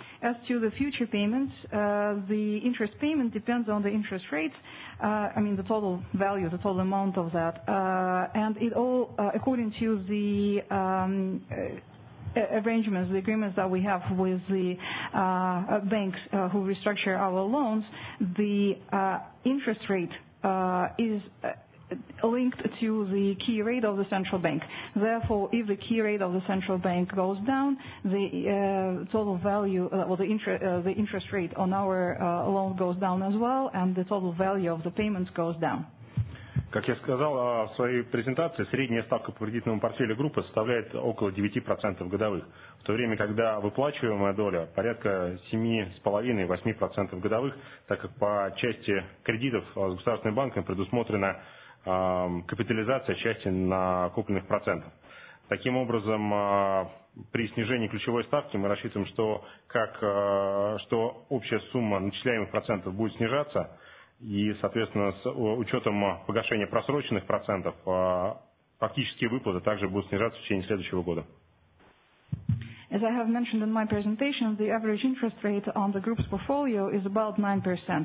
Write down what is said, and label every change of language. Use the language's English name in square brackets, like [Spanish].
[English] As to the future payments, the interest payment depends on the interest rates, I mean the total value, the total amount of that, and it all, according to the arrangements, the agreements that we have with the banks who restructure our loans, the interest rate is linked to the key rate of the central bank. Therefore, if the key rate of the central bank goes down, the total value, the interest rate on our loan goes down as well, and the total value of the payments goes down. [Russian] Как я сказал в своей презентации, средняя ставка по кредитному портфелю группы составляет около 9% годовых, в то время когда выплачиваемая доля порядка 7,5-8% годовых, так как по части кредитов с государственными банками предусмотрена капитализация части накопленных процентов. Таким образом, при снижении ключевой ставки мы рассчитываем, что общая сумма начисляемых процентов будет снижаться, и, соответственно, с учетом погашения просроченных процентов, фактические выплаты также будут снижаться в течение следующего года. [English] As I have mentioned in my presentation, the average interest rate on the group's portfolio is about 9%.